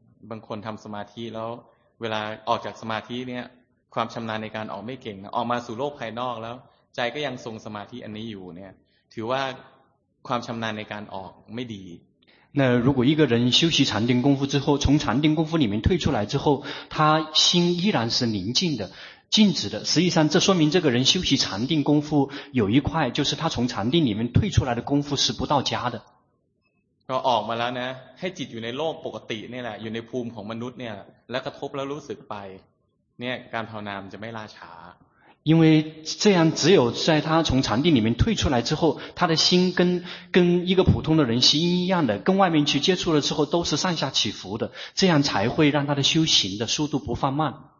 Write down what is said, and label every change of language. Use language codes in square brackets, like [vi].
[th] บางคนทำสมาธิแล้วเวลาออกจากสมาธิเนี่ยความชำนาญในการออกไม่เก่งออกมาสู่โลกภายนอกแล้วใจก็ยังทรงสมาธิอันนี้อยู่เนี่ยถือว่าความชำนาญในการออกไม่ดี [zh] 那如果一个人修习禅定功夫之后从禅定功夫里面退出来之后他心依然是宁静的静止的实际上这说明这个人修习禅定功夫有一块就是他从禅定里面退出来的功夫是不到家的 [th] ก็ออกมาแล้วนะให้จิตอยู่ในโลกปกตินี่แหละอยู่ในภูมิของมนุษย์เนี่ยแล้วกระทบแล้วรู้สึกไปเนี่ยการภาวนาจะไม่ล่าช้า [zh] 因为这样只有在他从禅定里面退出来之后他的心跟一个普通的人心一样的跟外面去接触了之后都是上下起伏的这样才会让他的修行的速度不放慢